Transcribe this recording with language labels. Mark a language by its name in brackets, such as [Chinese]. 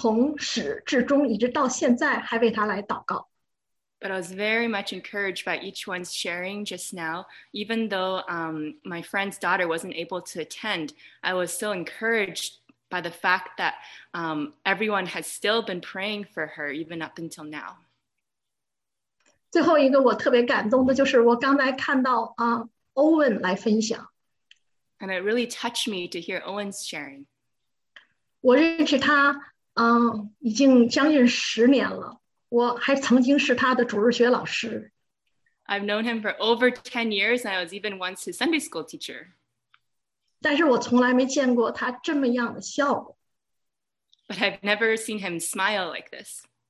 [Chinese] 但是刚刚的几位的分享又特别鼓舞我，虽然他的孩子没去，但是我们在座所有的人，即使不认识这位孩子，还是仍然从始至终一直到现在还为他来祷告。 [English] But I was very much encouraged by each one's sharing just now. Even though my friend's daughter wasn't able to attend, I was so encouraged by the fact that everyone has still been praying for her, even up until now. [Chinese] 最后一个我特别感动的就是我刚才看到 Owen来分享。 [English] And it really touched me to hear Owen's sharing. [Chinese] 我认识他 已经将近10年了。我还曾经是他的主日学老师。 [English] I've known him for over 10 years, and I was even once his Sunday school teacher. [Chinese] 但是我从来没见过他这么样的笑。 [English] But I've never seen him smile like this.